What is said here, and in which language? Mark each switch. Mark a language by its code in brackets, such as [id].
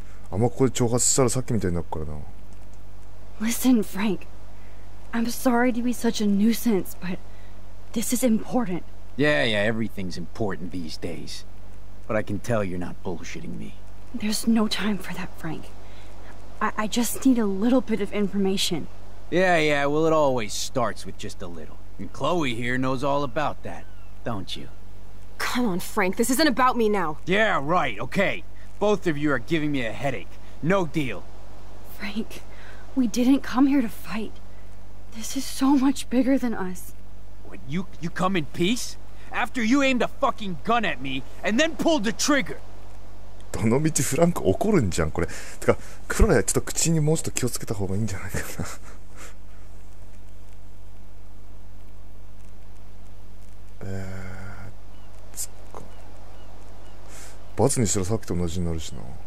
[ja] あんまここで挑発したらさっきみたいになるからな。 [en] Listen, Frank. I'm sorry to be such a nuisance, but this is important. Yeah, yeah, everything's important these days. But I can tell you're not bullshitting me. There's no time for that, Frank. I just need a little bit of information. Yeah, yeah, well, it always starts with just a little. And Chloe here knows all about that, don't you? Come on, Frank, this isn't about me now. Yeah, right, okay. Both of you are giving me a headache. No deal. Frank, we didn't come here to fight. This is so much bigger than us. You come in peace? After you aimed a fucking gun at me and then pulled the trigger. [ja] どの道フランク怒るんじゃんこれ。てかクロラちょっと口にもうちょっと気をつけた方がいいんじゃないかな。つっか。罰にしたらさっきと同じになるしな。